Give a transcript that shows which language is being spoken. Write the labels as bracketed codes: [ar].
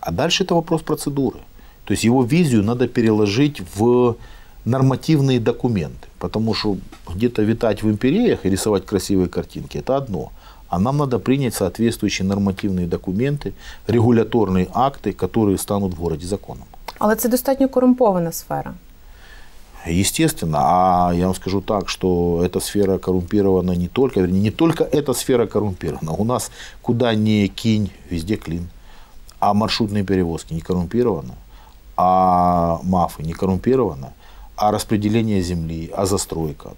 [ru] А дальше это вопрос процедуры. То есть его визию надо переложить в нормативные документы, потому что где-то витать в империях и рисовать красивые картинки – это одно. А нам надо принять соответствующие нормативные документы, регуляторные акты, которые станут в городе законом. [uk] Але це достатньо корумпована сфера. [ru] Естественно. А я вам скажу так, что эта сфера коррумпирована не только, вернее, не только эта сфера коррумпирована. У нас куда ни кинь, везде клин. А маршрутные перевозки не коррумпированы. А мафы не коррумпированы. А распределение земли, а застройка.